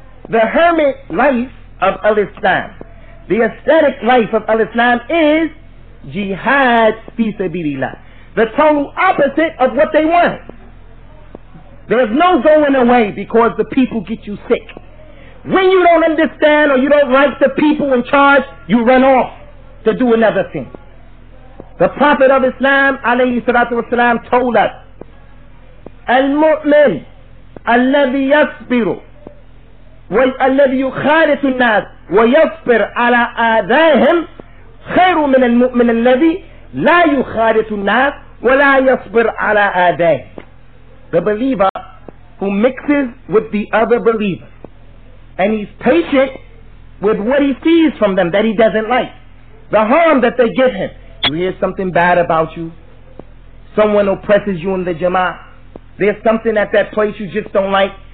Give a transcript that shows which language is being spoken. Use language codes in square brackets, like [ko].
[en] The hermit life of al-Islam, the aesthetic life of al-Islam, is jihad fi sabilillah. The total opposite of what they want. There's no going away because the people get you sick. When you don't understand or you don't like the people in charge, you run off to do another thing. The Prophet of Islam, alayhi salatu wasalam, told us, [ar] Al-mu'min alladhi yasbiru وَالَّذِي يُخَالِطُ النَّاسِ وَيَصْبِرْ عَلَىٰ آذَاهِمْ خَيْرٌ مِنَ الْمُؤْمِنِ الَّذِي لَا يُخَالِطُ النَّاسِ وَلَا يَصْبِرْ عَلَىٰ آذَاهِمْ. [en] The believer who mixes with the other believers and he's patient with what he sees from them that he doesn't like, the harm that they give him. You hear something bad about you, someone oppresses you in the Jama'ah. There's something at that place you just don't like.